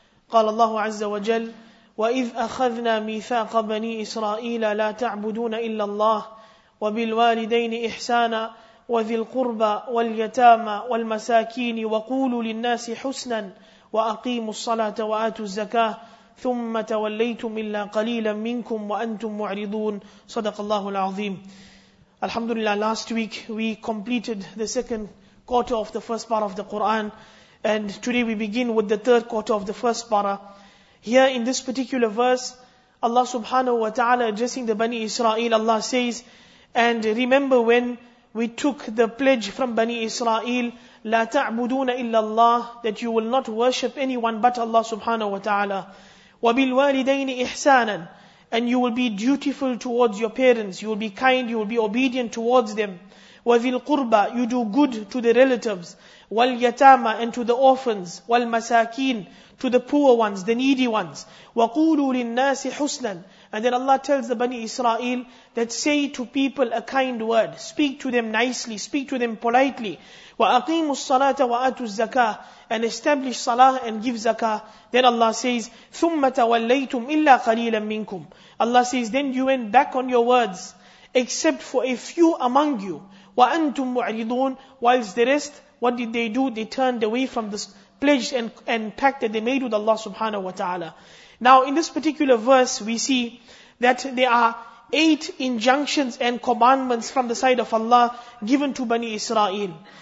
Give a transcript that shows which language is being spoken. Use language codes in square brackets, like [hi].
[ar] قال الله عز وجل: وإذ أخذنا ميثاق بني إسرائيل لا تعبدون إلا الله وبالوالدين إحسانا وذي القربى واليتامى والمساكين وقولوا للناس حسنا وأقيموا الصلاة وآتوا الزكاة ثم توليتم إلا قليلا منكم وأنتم معرضون. صدق الله العظيم. [en] Alhamdulillah, last week we completed the second quarter of the first part of the Quran, and today we begin with the third quarter of the first para. Here in this particular verse, Allah subhanahu wa ta'ala addressing the Bani Israel, Allah says, and remember when we took the pledge from Bani Israel, [ar] لا تعبدون إلا الله, [en] that you will not worship anyone but Allah subhanahu wa ta'ala. [ar] وَبِالْوَالِدَيْنِ إِحْسَانًا, [en] and you will be dutiful towards your parents, you will be kind, you will be obedient towards them. [ar] وَذِي الْقُرْبَى, [en] you do good to the relatives. [ar] وَالْيَتَامَى, [en] and to the orphans. [ar] وَالْمَسَاكِينَ, [en] to the poor ones, the needy ones. [ar] وَقُولُوا لِلنَّاسِ حُسْنًا, [en] and then Allah tells the Bani Israel that say to people a kind word, speak to them nicely, speak to them politely. [ar] وَأَقِيمُوا الصَّلَاةَ وَآتُوا الزَّكَاةَ, [en] and establish salah and give zakah. Then Allah says, [ar] ثُمَّ تَوَلَّيْتُمْ إِلَّا قَلِيلًا مِّنْكُمْ. [en] Allah says, then you went back on your words, except for a few among you. [ar] وَأَنْتُمْ مُعْرِضُونَ, [en] whilst the rest, what did they do? They turned away from this pledge and pact that they made with Allah subhanahu wa ta'ala. Now in this particular verse, we see that there are 8 injunctions and commandments from the side of Allah given to Bani Israel.